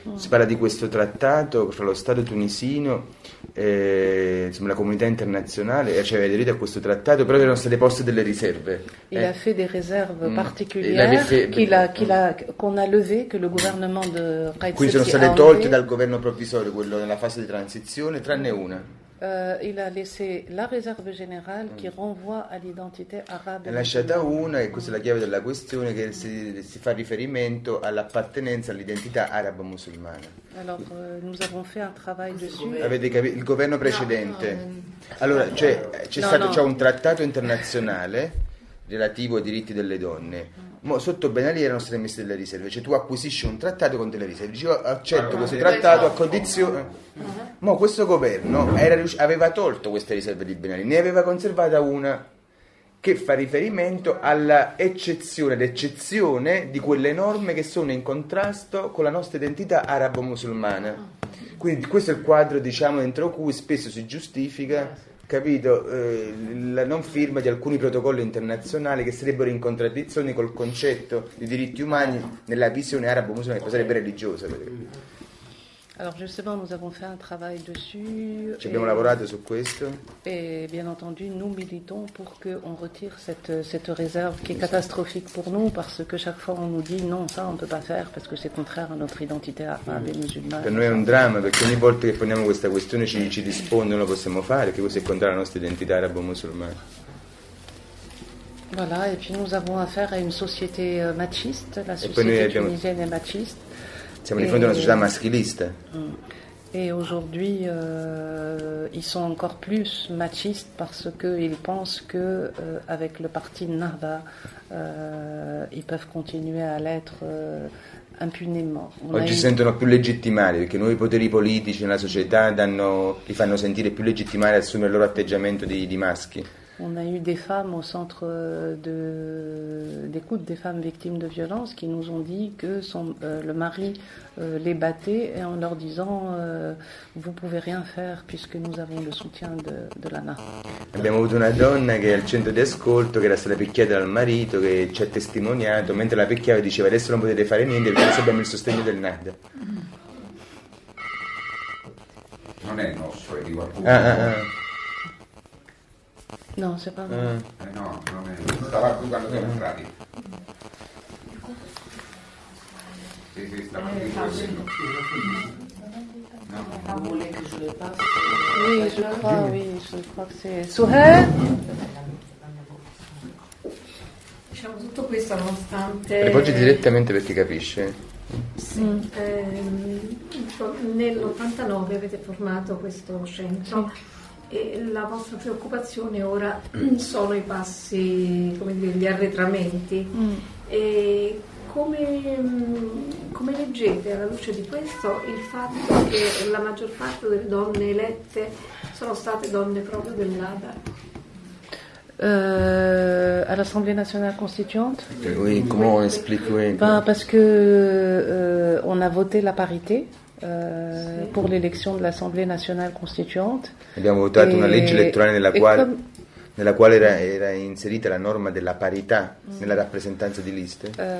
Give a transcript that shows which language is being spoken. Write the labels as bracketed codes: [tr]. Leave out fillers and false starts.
[it] Si parla di questo trattato fra lo Stato tunisino e insomma, la comunità internazionale, e cioè, aveva aderito a questo trattato, però erano state poste delle riserve. Il ha fatto delle riserve particolari [fr] qu'on a levé, [it] che il [fr] gouvernement de Qaid [it] Quindi sono state tolte dal governo provvisorio, quello nella fase di transizione, tranne una. [fr] Il a laissé la réserve générale qui renvoie à l'identité arabe. [it] Ha lasciata una, e questa è la chiave della questione, che si fa riferimento all'appartenenza all'identità araba musulmana. [fr] Alors, nous avons fait un travail dessus. [it] Avete capito? Il governo precedente. Allora, cioè, c'è un trattato internazionale relativo ai diritti delle donne. Sotto Ben Ali erano state messe delle riserve, cioè tu acquisisci un trattato con delle riserve, io accetto questo trattato a condizione. Ma questo governo aveva tolto queste riserve di Ben Ali, ne aveva conservata una che fa riferimento all'eccezione di quelle norme che sono in contrasto con la nostra identità arabo-musulmana. Quindi questo è il quadro, diciamo, dentro cui spesso si giustifica, capito, la non firma di alcuni protocolli internazionali che sarebbero in contraddizione col concetto di diritti umani nella visione arabo-musulmana, che sarebbe religiosa. [fr] Alors justement, nous avons fait un travail dessus. [it] Ci abbiamo lavorato su questo. [fr] Et bien entendu, nous militons pour que on retire cette réserve qui est catastrophique pour nous, parce que chaque fois on nous dit non, ça on peut pas faire parce que c'est contraire à notre identité arabe et musulmane. [it] Per noi è un dramma, perché ogni volta che poniamo questa questione ci rispondono non lo possiamo fare, che questo è contrario alla nostra identità arabo-musulmana. [fr] Voilà, et puis nous avons affaire à une société machiste, la société tunisienne est machiste. [it] Siamo di fronte a una società maschilista. [fr] E aujourd'hui ils sont encore plus machistes parce que ils pensent que avec le parti Nahda ils peuvent continuer à l'être impunément. [it] Oggi si sentono più legittimati, perché i nuovi poteri politici nella società li fanno sentire più legittimati ad assumere il loro atteggiamento di maschi. [fr] On a eu des femmes au centre de, d'écoute, des femmes victimes de violences qui nous ont dit que son, le mari les battait et en leur disant « vous pouvez rien faire puisque nous avons le soutien de l'ANA ». [it] Abbiamo avuto una donna che al centro di ascolto che era stata picchiata dal marito, che ci ha testimoniato, mentre la picchiava diceva adesso non potete fare niente perché adesso abbiamo il sostegno del NAD. Non è nostro, è di qualcuno. No, c'è proprio. No, non è. Stava qui quando siamo entrati. Sì, sì, stava qui quando [fr] Oui, je crois, oui, je crois que c'est Souhait. [it] Diciamo tutto questo nonostante. Rivolgi direttamente perché capisce. Sì. Nell'89 avete formato questo centro e la vostra preoccupazione ora sono i passi, come dire, gli arretramenti. E Come leggete alla luce di questo il fatto che la maggior parte delle donne elette sono state donne proprio dell'ADA? [fr] À l'Assemblée nationale constituante. Oui, comment on explique, oui. Ben, parce que on a voté la parité. Pour l'élection de l'Assemblée nationale constituante. [it] Abbiamo votato una legge elettorale nella quale nella quale era inserita la norma della parità nella rappresentanza di liste?